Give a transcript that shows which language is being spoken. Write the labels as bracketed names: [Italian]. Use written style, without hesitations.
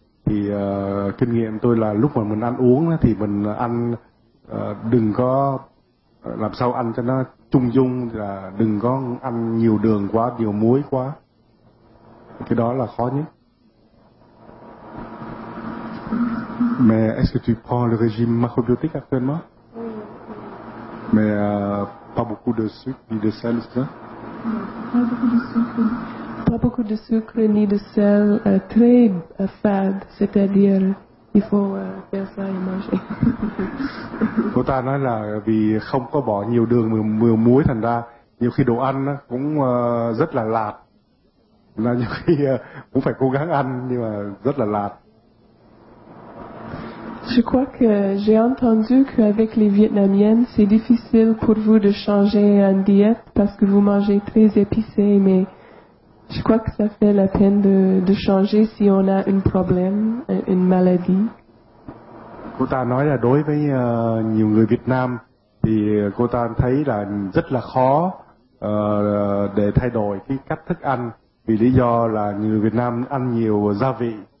[Vietnamese] Thì kinh nghiệm tôi là lúc mà mình ăn uống thì mình ăn đừng có làm sao ăn cho nó trung dung, là đừng có ăn nhiều đường quá, nhiều muối quá, cái đó là khó nhất. [French] Mais est-ce que tu prends le régime macrobiotique actuellement? Mais pas beaucoup de sucre ni de sel, c'est ça? Pas beaucoup de sucre ni de sel, très fade, c'est-à-dire il faut faire ça et manger. [Vietnamese] Cô ta nói là vì không có bỏ nhiều đường, nhiều muối, thành ra nhiều khi đồ ăn cũng rất là lạt. là nhiều khi cũng phải cố gắng ăn nhưng mà rất là lạt. [French] Je crois que j'ai entendu qu'avec les Vietnamiennes, c'est difficile pour vous de changer une diète parce que vous mangez très épicé, mais je crois que ça fait la peine de changer si on a un problème, une maladie. [Vietnamese] Cô ta nói là đối với nhiều người Việt Nam thì cô ta thấy là rất là khó để thay đổi cái cách thức ăn vì lý do là người Việt Nam ăn nhiều gia vị.